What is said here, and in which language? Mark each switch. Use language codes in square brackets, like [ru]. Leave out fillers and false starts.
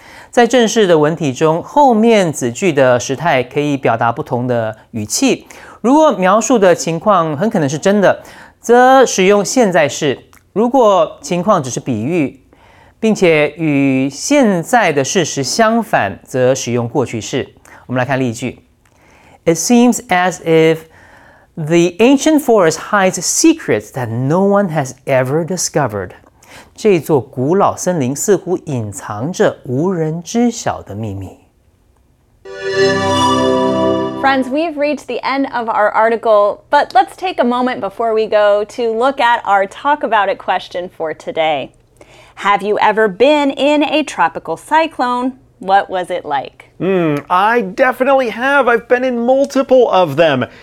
[zh] 在正式的文体中，后面子句的时态可以表达不同的语气。如果描述的情况很可能是真的，则使用现在式。如果情况只是比喻，并且与现在的事实相反，则使用过去式。我们来看例句。 [en] It seems as if... The ancient forest hides secrets that no one has ever discovered. [zh] 这座古老森林似乎隐藏着无人知晓的秘密。 [en] Friends, we've reached the end of our article, but let's take a moment before we go to look at our talk about it question for today. Have you ever been in a tropical cyclone? What was it like? I definitely have. I've been in multiple of them.